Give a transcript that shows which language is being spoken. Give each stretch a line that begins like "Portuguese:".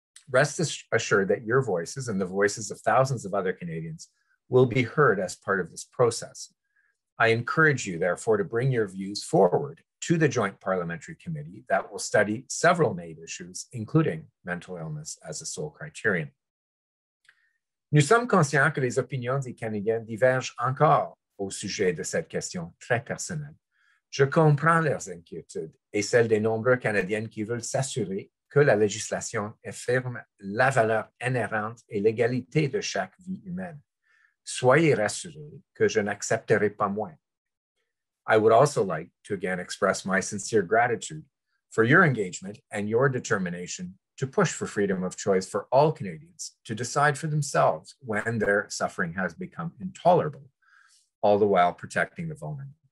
English: Rest assured that your voices and the voices of thousands of other Canadians will be heard as part of this process. I encourage you, therefore, to bring your views forward to the Joint Parliamentary Committee that will study several MAID issues, including mental illness as a sole criterion.
French: Nous sommes conscients que les opinions des Canadiens divergent encore au sujet de cette question très personnelle. Je comprends leurs inquiétudes et celles des nombreux Canadiens qui veulent s'assurer que la législation affirme la valeur inhérente et l'égalité de chaque vie humaine. Soyez rassurés que je n'accepterai pas moins.
English: I would also like to again express my sincere gratitude for your engagement and your determination to push for freedom of choice for all Canadians to decide for themselves when their suffering has become intolerable, all the while protecting the vulnerable.